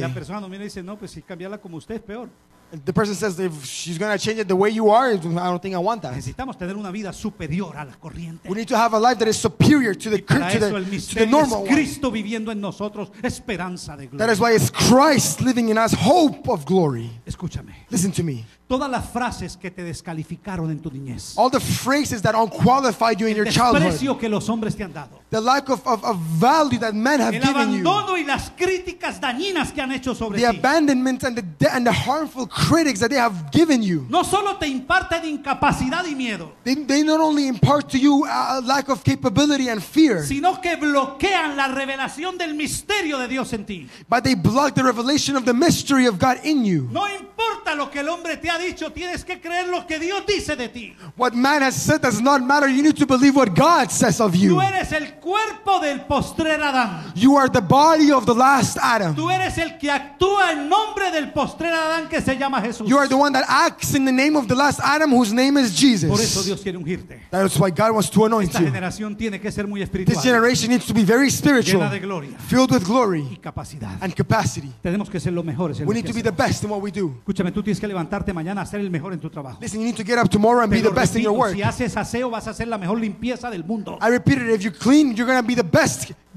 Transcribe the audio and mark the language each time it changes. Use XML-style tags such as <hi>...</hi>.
<es>La persona no viene y dice, no, pues si cambiarla como usted es peor.</es> <en>The person says if she's going to change it the way you are, I don't think I want that.</en> <es>Necesitamos tener una vida superior a la corriente.</es> <en>We need to have a life that is superior to the current, to the normal.</en> <es>Cristo viviendo en nosotros, esperanza de gloria.</es> <en>That is why it's Christ living in us, hope of glory.</en> <es>Escúchame.</es> <en>Listen to me.</en> <es>Todas las frases que te descalificaron en tu niñez.</es> <en>All the phrases that unqualified you in your childhood.</en> <es>El desprecio que los hombres te han dado.</es> <en>The lack of value that men have given you.</en> <es>El abandono y las críticas dañinas que han hecho sobre ti.</es> <en>The abandonment and the harmful critics that they have given you.</en> <es>No solo te imparten incapacidad y miedo.</es> <en>They not only impart to you a lack of capability and fear.</en> <es>Sino que bloquean la revelación del misterio de Dios en ti.</es> <en>But they block the revelation of the mystery of God in you.</en> <es>No importa lo que el hombre te ha dicho, tienes que creer lo que Dios dice de ti.</es> <en>What man has said does not matter. You need to believe what God says of you.</en> <es>Tú eres el cuerpo del postrer Adán.</es> <en>You are the body of the last Adam.</en> <es>Tú eres el que actúa en nombre del postrer Adán que se llama Jesús.</es> <en>You are the one that acts in the name of the last Adam whose name is Jesus.</en> <es>Por eso Dios quiere ungirte.</es> <en>That is why God wants to anoint you.</en> <es>Esta generación tiene que ser muy espiritual.</es> <en>This generation needs to be very spiritual.</en> <es>Llena de gloria.</es> <en>Filled with glory.</en> <es>Y capacidad.</es> <en>And capacity.</en> <es>Tenemos que ser los mejores.</es> <en>We need to be the best in what we do.</en> <es>Escúchame. tú tienes que levantarte mañana a ser el mejor en tu trabajo.</es> <en>Listen, you need to get up tomorrow and be the best in your work.</en> <es>Si haces aseo, vas a hacer la mejor limpieza del mundo.</es> <en>I repeat it, if you clean, you're going to be the best.</en>